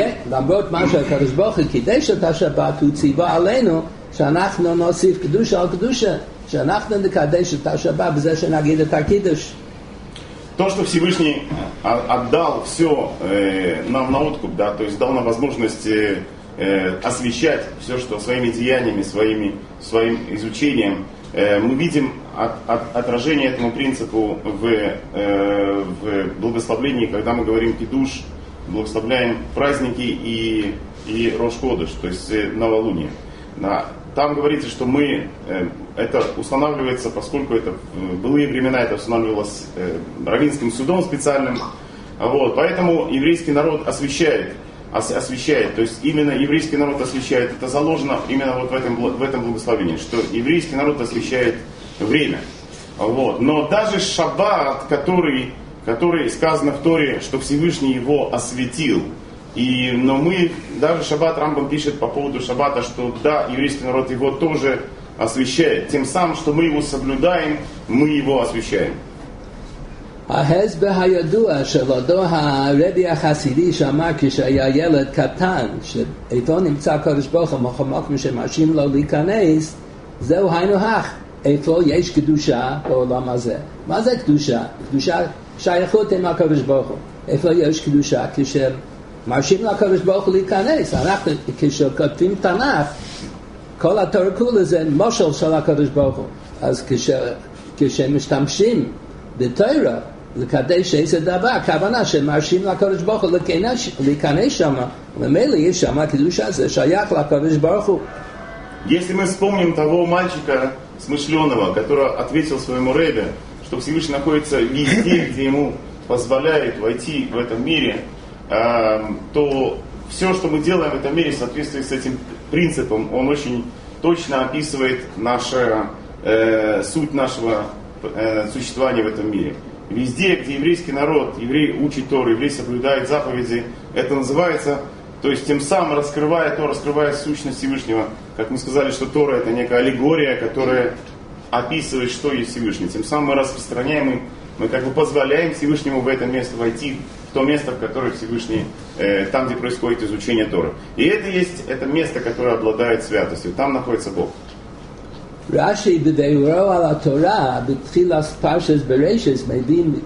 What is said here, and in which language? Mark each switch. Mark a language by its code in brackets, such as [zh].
[he] למרות מה שהקדוש ברוך הוא קידש את השבת, הוא ציווה עלינו שאנחנו נוסיף קדושה על קדושה, שאנחנו נקדש את השבת בזה שנגיד את הקידוש. [ru] То, что Всевышний отдал все нам на откуп, да, то есть дал нам возможность освещать все, что своими деяниями, своим изучением, мы видим отражение этому принципу в благословлении, когда мы говорим кидуш, благословляем праздники и Рош Ходеш, то есть новолуние. Там говорится, что мы это устанавливается, поскольку это в былые времена это устанавливалось раввинским судом специальным. Вот, поэтому еврейский народ освящает, то есть именно еврейский народ освящает, это заложено именно вот в этом благословении, что еврейский народ освящает время. Вот. Но даже шаббат, который сказано в Торе, что Всевышний его освятил, но мы, даже шаббат, Рамбам пишет по поводу шаббата, что да, еврейский народ его тоже освящает, тем самым, что мы его соблюдаем, мы его освящаем. [he] ההסבר הידוע של אותו הרבי החסידי שאמר כשהיה ילד קטן שאיפה נמצא הקדוש ברוך הוא מחמוק משמשים לו להיכנס, זהו היינו הך, איפה יש קדושה בעולם הזה. מה זה קדושה? קדושה שייכות עם הקדוש ברוך הוא. איפה יש קדושה? כשמרשים לקדוש ברוך הוא להיכנס. אנחנו כשכותבים תנ"ך, כל התורה כולה זה משל של הקדוש ברוך הוא. אז כשמשתמשים בתורה לקדש איזה דבר, הכוונה שמרשים לקדוש ברוך הוא להיכנס שם, ומילא יש שם קדושה, זה שייך לקדוש ברוך הוא. [ru] Если мы вспомним того мальчика смышленого, который ответил своему ребе, что Всевышний находится везде, где ему позволяет войти в этом мире, то все, что мы делаем в этом мире, соответствует с этим принципом, он очень точно описывает суть нашего существования в этом мире. Везде, где еврейский народ, еврей учит Тору, еврей соблюдает заповеди, это называется, то есть тем самым раскрывая Тору, раскрывая сущность Всевышнего. Как мы сказали, что Тора это некая аллегория, которая описывает, что есть Всевышний. Тем самым мы распространяем, мы как бы позволяем Всевышнему в это место войти, в то место, в которое Всевышний, там, где происходит изучение Торы. И это место, которое обладает святостью. Там находится Бог. [he] רש"י בביאורו על התורה בתחילת פרשת בראשית מביא